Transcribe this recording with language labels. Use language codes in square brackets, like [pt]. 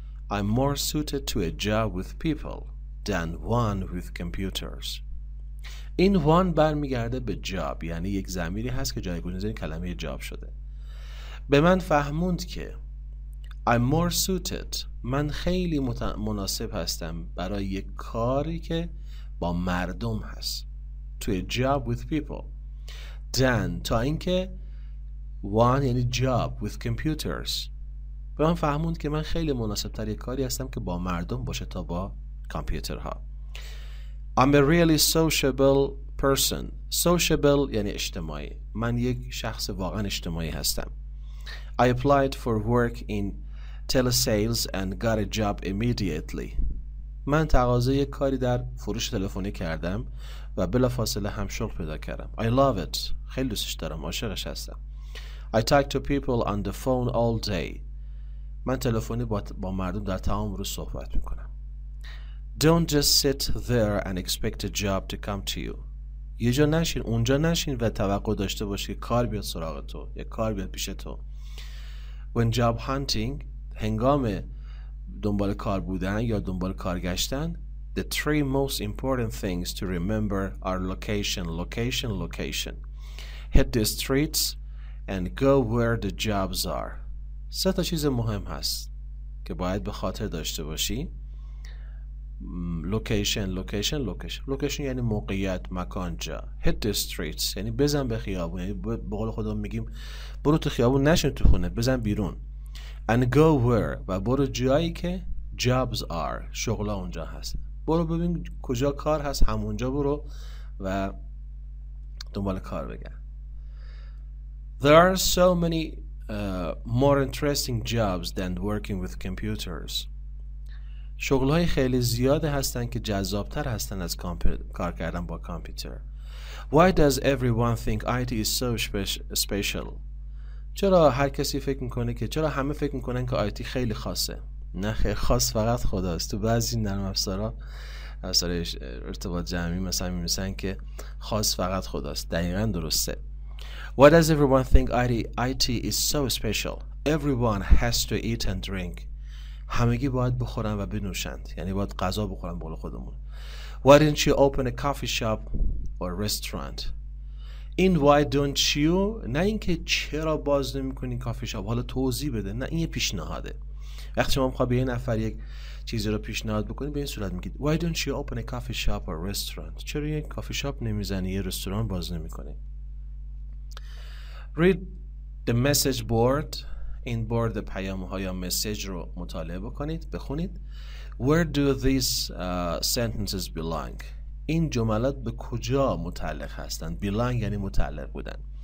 [en] I'm more suited to a job with people than one with computers. [fa] این one برمیگرده به job، یعنی یک ضمیری هست که جایگزین این کلمه job شده. به من فهموند که [en] I'm more suited، [fa] من خیلی مناسب هستم برای یک کاری که با مردم هست، [en] to a job with people، [fa] than تا اینکه one یعنی [en] job with computers، [fa] به من فهموند که من خیلی مناسب‌تر یه کاری هستم که با مردم باشه تا با کامپیوترها. [en] I'm a really sociable person. Sociable [fa] یعنی اجتماعی. من یک شخص واقعا اجتماعی هستم. [en] I applied for work in telesales and got a job immediately. [fa] من تقاضای یک کاری در فروش تلفنی کردم و بلافاصله هم شغل پیدا کردم. [en] I love it. [fa] خیلی دوستش دارم. عاشقش هستم. [en] I talk to people on the phone all day. [fa] من تلفنی با مردم در تمام روز صحبت میکنم. [en] Don't just sit there and expect a job to come to you. [fa] یه جا نشین، اونجا نشین و توقع داشته باشی که کار بیاد سراغ تو، یه کار بیاد پیش تو. [en] When job hunting، [fa] هنگام دنبال کار بودن یا دنبال کار گشتن، [en] the three most important things to remember are location, location, location. Hit the streets and go where the jobs are. [fa] سه تا چیز مهم هست که باید به خاطر داشته باشی. [en] Location, location, location. [fa] Location یعنی موقعیت، مکان، جا. [en] Hit the streets [fa] یعنی بزن به خیابون، یعنی به قول خودمون میگیم برو تو خیابون، نشین تو خونه، بزن بیرون. [en] And go where، [fa] و برو جایی که [en] jobs are، [fa] شغلا اونجا هست. برو ببین کجا کار هست، همونجا برو و دنبال کار بگرد. [en] There are so many more interesting jobs than working with computers. [fa] شغل‌های خیلی زیاده هستن که جذاب‌تر هستن از کار کردن با کامپیوتر. [en] Why does everyone think IT is so special? [fa] چرا هر کسی فکر می‌کنه که چرا همه فکر می‌کنن که IT خیلی خاصه؟ نه خیر، خاص فقط خداست. تو بعضی نرم افزارا اثر ارتباط جمعی مثلا می‌میسن که خاص فقط خداست. دقیقاً درسته. [en] Why does everyone think IT is so special? Everyone has to eat and drink. [fa] همگی باید بخورن و بنوشند. یعنی باید غذا بخورن بقول خودمون. [en] Why didn't you open a coffee shop or restaurant? In why don't you? [fa] نه اینکه چرا باز نمی‌کنی کافی شاپ. حالا توضیح بده. نه این یه پیشنهاده. وقتی شما می‌خوای به یه نفر یک چیزی رو پیشنهاد بکنی به این صورت میگید. [en] Why don't you open a coffee shop or restaurant? [fa] چرا یه کافی شاپ نمی‌زنی، یه رستوران باز نمی‌کنی؟ [en] Read the message board. [fa] این بورد پیام‌ها یا مسیج رو مطالعه بکنید، بخونید. [en] Where do these sentences belong? [fa] این جملات به کجا متعلق هستند؟ Belong یعنی متعلق بودن.